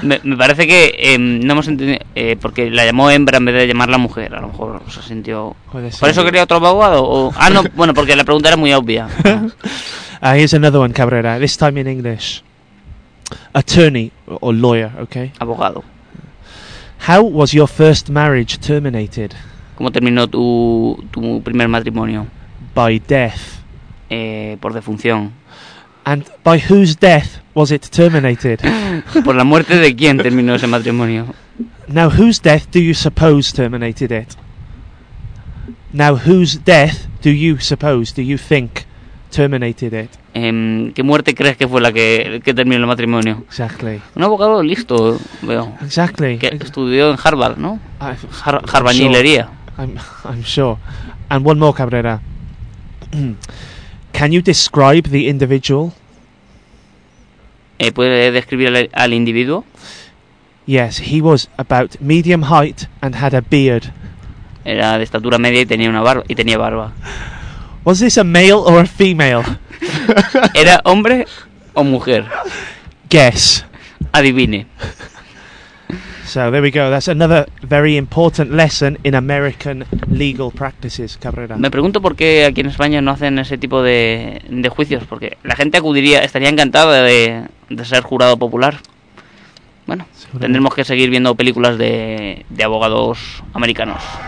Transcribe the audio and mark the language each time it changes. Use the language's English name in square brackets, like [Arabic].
[Spanish] Me parece que no hemos entendido, porque la llamó hembra en vez de llamarla mujer, a lo mejor se sintió... ¿Por eso quería otro abogado? No, bueno, porque la pregunta era muy obvia. [English] Here's another one, Cabrera, this time in English. Attorney or lawyer, okay? [Spanish] Abogado. [English] How was your first marriage terminated? [Spanish] ¿Cómo terminó tu primer matrimonio? [English] By death. [Spanish] Por defunción. [English] And by whose death was it terminated? [Spanish] Por la muerte de quién terminó ese matrimonio. [English] Now whose death do you suppose terminated it? Now whose death do you suppose, do you think, terminated it? [Spanish] ¿Qué muerte crees que fue la que terminó el matrimonio? [English] Exactly. [Spanish] Un abogado listo, veo. [English] Exactly. [Spanish] Que estudió en Harvard, ¿no? Harvardillería. [English] I'm sure. And one more, Cabrera. Can you describe the individual? [Spanish] ¿Puede describir al individuo? [English] Yes, he was about medium height and had a beard. [Spanish] Era de estatura media y tenía barba. [English] Was this a male or a female? [Spanish] ¿Era hombre o mujer? [English] Guess. [Spanish] Adivine. [English] So there we go. That's another very important lesson in American legal practices, Cabrera. [Spanish] Me pregunto por qué aquí en España no hacen ese tipo de juicios, porque la gente acudiría, estaría encantada de ser jurado popular. Bueno, tendremos que seguir viendo películas de abogados americanos.